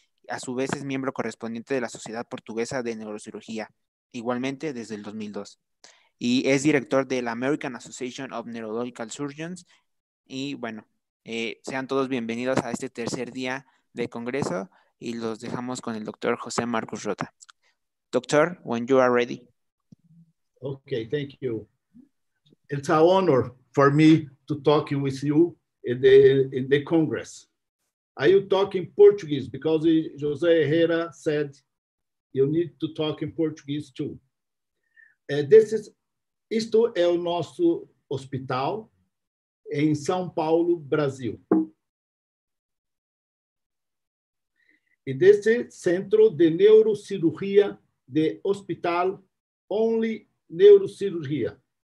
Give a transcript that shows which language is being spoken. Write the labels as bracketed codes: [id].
[es] A su vez es miembro correspondiente de la Sociedad Portuguesa de Neurocirugía, igualmente desde el 2002. Y es director de la American Association of Neurological Surgeons. Y bueno, sean todos bienvenidos a este tercer día de congreso y los dejamos con el doctor José Marcus Rota. [en] Doctor, when you are ready. Okay, thank you. It's an honor for me to talk with you in the congress. I will talk in Portuguese because José Herrera said you need to talk in Portuguese too. [pt] Isto é o nosso hospital em São Paulo, Brasil. E desse centro de neurocirurgia de hospital, [en] only [pt] neurocirurgia.